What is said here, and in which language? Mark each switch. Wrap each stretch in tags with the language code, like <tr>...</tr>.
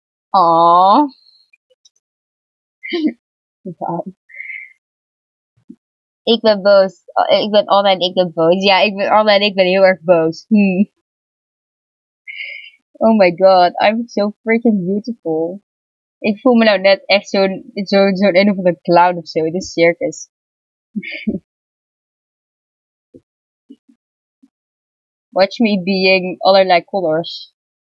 <nl>Aww. Ik ben boos. Ik ben online, ik ben boos. Ja, ik ben online, ik ben heel erg boos.</nl> <en>Oh my god, I'm so freaking beautiful.</en> <nl>Ik voel me nou net echt zo'n een of andere clown of zo in een circus.</nl> <en>Watch me being</en> <nl>allerlei</nl> <en>colors.</en>